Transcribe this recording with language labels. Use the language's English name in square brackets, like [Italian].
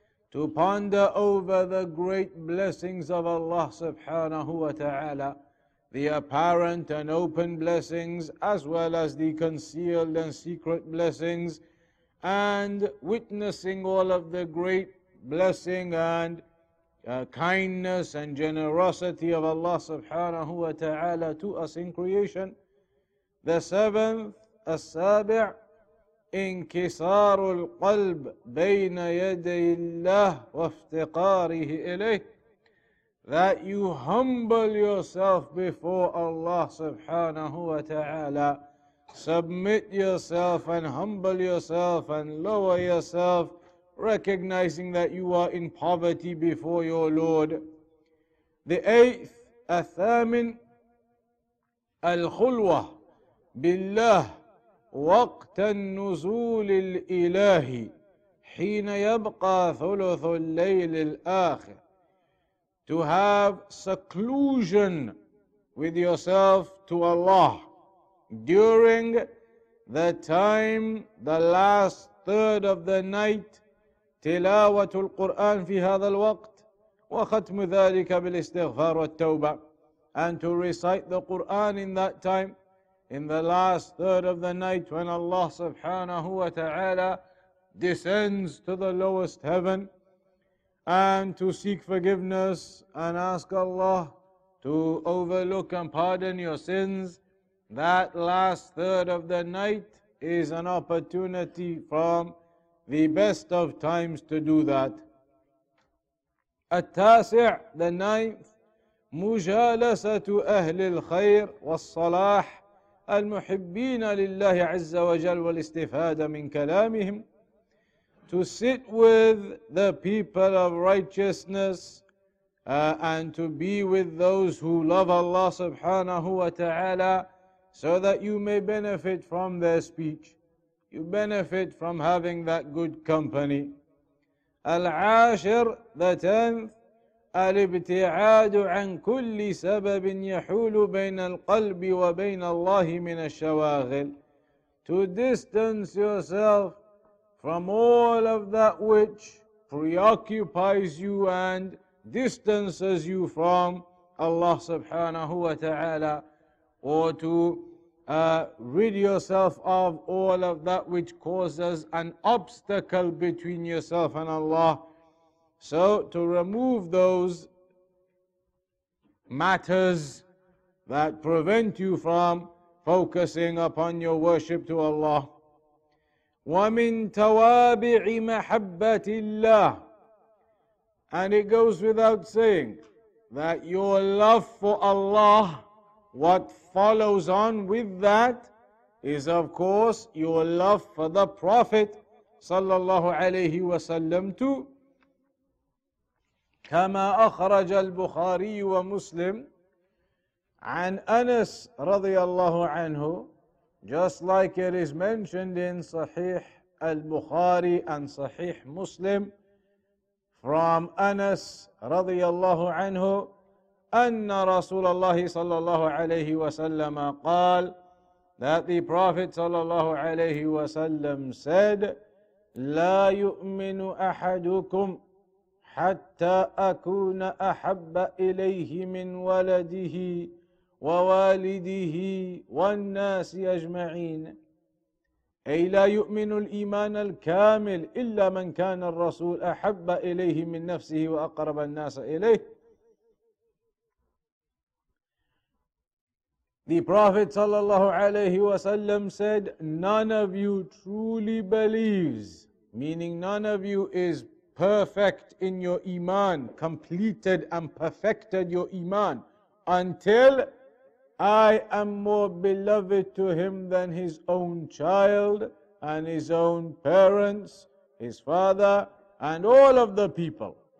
[English] To ponder over the great blessings of Allah subhanahu wa ta'ala, the apparent and open blessings, as well as the concealed and secret blessings, and witnessing all of the great blessing and kindness and generosity of Allah subhanahu wa ta'ala to us in creation. The seventh, [Arabic] السابع, انكسار القلب بين يدي الله وافتقاره إليه. [English] That you humble yourself before Allah subhanahu wa ta'ala. Submit yourself and humble yourself and lower yourself, recognizing that you are in poverty before your Lord. The eighth, [Arabic] الثامن, الخلوة بالله وقت النزول الإلهي حين يبقى ثلث الليل الآخر. [English] To have seclusion with yourself to Allah during the time, the last third of the night, [Arabic] تلاوة القرآن في هذا الوقت وختم ذلك بالاستغفار والتوبة. [English] And to recite the Quran in that time, in the last third of the night, when Allah subhanahu wa ta'ala descends to the lowest heaven, and to seek forgiveness and ask Allah to overlook and pardon your sins. That last third of the night is an opportunity from the best of times to do that. [Arabic] التاسع للنايم مجالسة أهل الخير والصلاح المحبين لله عز وجل والاستفادة من كلامهم. [English] To sit with the people of righteousness and to be with those who love Allah subhanahu wa ta'ala, so that you may benefit from their speech. You benefit from having that good company. [Arabic] العاشر, [English] the tenth, [Arabic] الابتعاد عن كل سبب يحول بين القلب وبين الله من الشواغل. [English] To distance yourself from all of that which preoccupies you and distances you from Allah subhanahu wa ta'ala, or to rid yourself of all of that which causes an obstacle between yourself and Allah. So to remove those matters that prevent you from focusing upon your worship to Allah. [Arabic] وَمِن تَوَابِعِ مَحَبَّةِ اللَّهِ. [English] And it goes without saying that your love for Allah, what follows on with that is of course your love for the Prophet صلى الله عليه وسلم too. [Arabic] كما أخرج البخاري ومسلم عن أنس رضي الله عنه, [English] just like it is mentioned in Sahih al-Bukhari and Sahih Muslim, from Anas [Arabic] رضي الله عنه أن رسول الله صلى الله عليه وسلم قال, [English] that the Prophet صلى الله عليه وسلم said, [Arabic] لا يؤمن أحدكم حتى أكون أحب إليه من ولده ووالده والناس أجمعين. أي لا يؤمن الإيمان الكامل إلا من كان الرسول أحب إليه من نفسه وأقرب الناس إليه. [English] The Prophet صلى الله عليه وسلم said, none of you truly believes, meaning none of you is perfect in your iman, completed and perfected your iman, until I am more beloved to him than his own child and his own parents, his father, and all of the people.